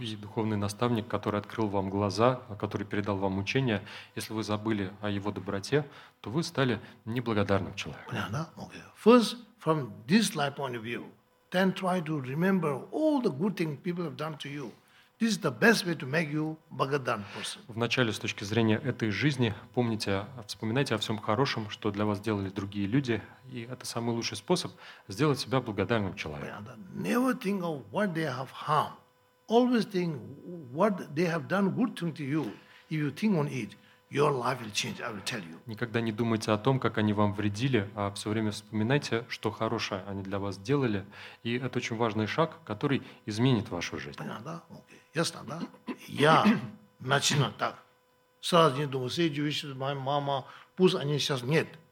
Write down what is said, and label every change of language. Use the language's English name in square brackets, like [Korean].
[Russian] И духовный наставник, который открыл вам глаза, который передал вам учение, если вы забыли о его доброте, то вы стали неблагодарным человеком. [English] First, from this life point of view, then try to remember all the good things people have done to you. This is the best way to make you благодарен person. [Russian] Вначале, с точки зрения этой жизни, помните, вспоминайте о всем хорошем, что для вас делали другие люди, и это самый лучший способ сделать себя благодарным человеком. [English] Never think of what they have harmed. Always think what they have done good thing to you. If you think on it, your life will change, I will tell you. [Russian] Никогда не думайте о том, как они вам вредили, а все время вспоминайте, что хорошее они для вас делали. И это очень важный шаг, который изменит вашу жизнь. Понятно, да? Окей. Ясно, да? Я начинал так. Сразу не думал, сейчас вещи, моя мама, пусть они сейчас нет.